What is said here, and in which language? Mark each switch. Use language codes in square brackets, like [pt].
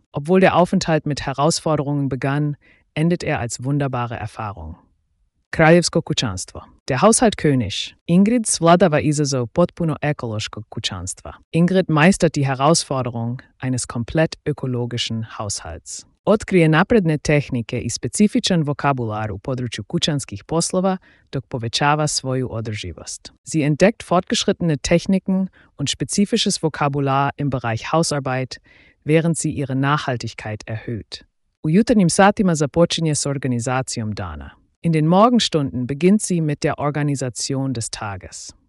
[de] Obwohl der Aufenthalt mit Herausforderungen begann, endet er als wunderbare Erfahrung. [hr] Kraljevsko kućanstvo. [de] Der Haushalt König. [hr] Ingrid svladava izazov potpuno ekološkog kućanstva. [de] Ingrid meistert die Herausforderung eines komplett ökologischen Haushalts. [hr] Otkrije napredne tehnike i specifičan vokabular u području kućanskih poslova, dok povećava svoju održivost. [de] Sie entdeckt fortgeschrittene Techniken und spezifisches Vokabular im Bereich Hausarbeit, während sie ihre Nachhaltigkeit erhöht. [hr] U jutarnjim satima započinje s organizacijom dana. [de] In den Morgenstunden beginnt sie mit der Organisation des Tages.